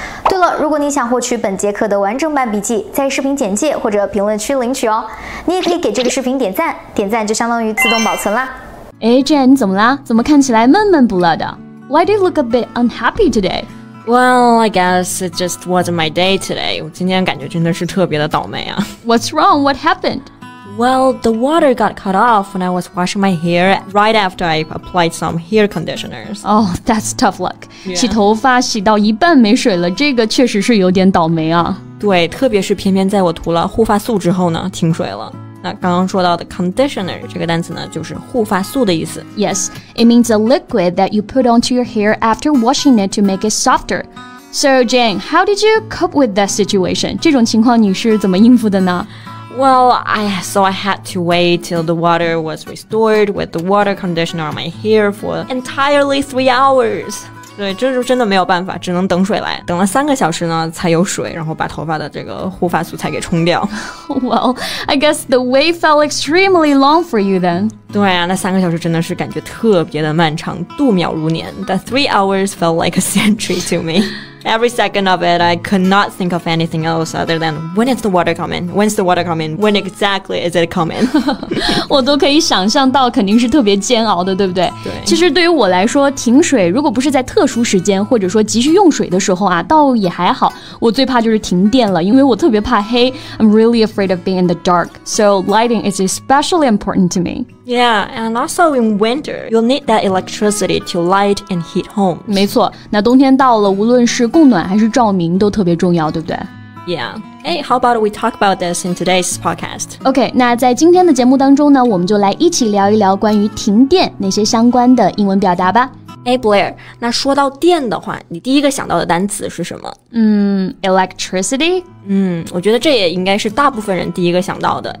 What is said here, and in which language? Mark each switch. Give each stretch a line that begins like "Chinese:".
Chinese: 对了，如果你想获取本节课的完整版笔记，在视频简介或者评论区领取哦。你也可以给这个视频点赞，点赞就相当于自动保存啦。哎 ，Jen， 怎么啦？怎么看起来闷闷不乐的 ？
English: Why do you look a bit unhappy today？ Well, I guess it just wasn't my day today.
Chinese: 我今天感觉真的是特别的倒霉啊。
English: What's wrong? What happened? Well, the water got cut off when I was washing my hair right after I applied some hair conditioners. Oh, that's tough luck. Yeah.
Chinese: 洗头发洗到一半没水了，这个确实是有点倒霉啊。对，特别是偏偏在我涂了护发素之后呢，停水了。那刚刚说到的 conditioner 这个单词呢，就是护发素的意思。
English: Yes, it means a liquid that you put onto your hair after washing it to make it softer. So Jane, how did you cope with that situation?
Chinese: 这种情况你是怎么应付的呢？
English: Well, I had to wait till the water was restored with the water conditioner on my hair for entirely 3 hours.
Chinese: 对，这就真的没有办法，只能等水来。等了3个小时呢，才有水，然后把头发的这个护发素才给冲掉。
English: Well, I guess the wait felt extremely long for you then.
Chinese: 对啊，那3个小时真的是感觉特别的漫长，度秒如年。
English: The 3 hours felt like a century to me. Every second of it, I could not think of anything else other than when is the water coming? When's the water coming? When exactly is it coming?
Chinese: 我都可以想象到肯定是特别煎熬的，对不对？对。其实对于我来说，停水如果不是在特殊时间或者说急需用水的时候啊，倒也还好。我最怕就是停电了，因为我特别怕黑。
English: I'm really afraid of being in the dark. So lighting is especially important to me. Yeah, and also in winter, you'll need that electricity to light and heat homes.
Chinese: 没错，那冬天到了，无论是供暖还是照明都特别重要，对不对？
English: Yeah. Hey, how about we talk about this in today's podcast?
Chinese: Okay, 那在今天的节目当中呢，我们就来一起聊一聊关于停电那些相关的英文表达吧。 Hey, Blair, 那说到电的话，你第一个想到的单词是什么？
English: Electricity?
Chinese: 我觉得这也应该是大部分人第一个想到的。